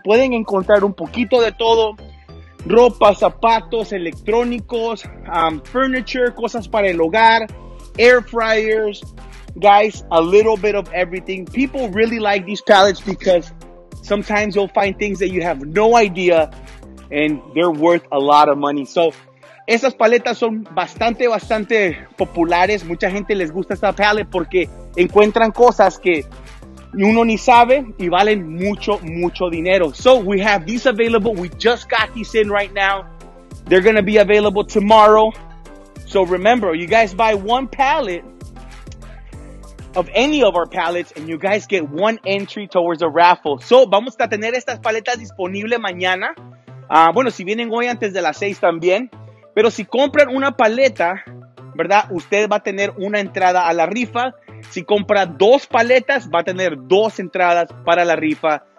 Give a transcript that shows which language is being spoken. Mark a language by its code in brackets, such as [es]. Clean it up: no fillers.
[es] Pueden encontrar un poquito de todo. Ropa, zapatos, electrónicos, furniture, cosas para el hogar, air fryers. [en] Guys, a little bit of everything. People really like these pallets because sometimes you'll find things that you have no idea and they're worth a lot of money. [es] So, esas paletas son bastante, bastante populares. Mucha gente les gusta esta palette porque encuentran cosas que uno ni sabe y valen mucho, mucho dinero. [en] So, we have these available. We just got these in right now. They're going to be available tomorrow. So, remember, you guys buy one palette of any of our palettes and you guys get one entry towards a raffle. [es] So, vamos a tener estas paletas disponibles mañana. Bueno, si vienen hoy antes de las 6 también. Pero si compran una paleta, ¿verdad? Usted va a tener una entrada a la rifa. Si compra dos paletas, va a tener dos entradas para la rifa.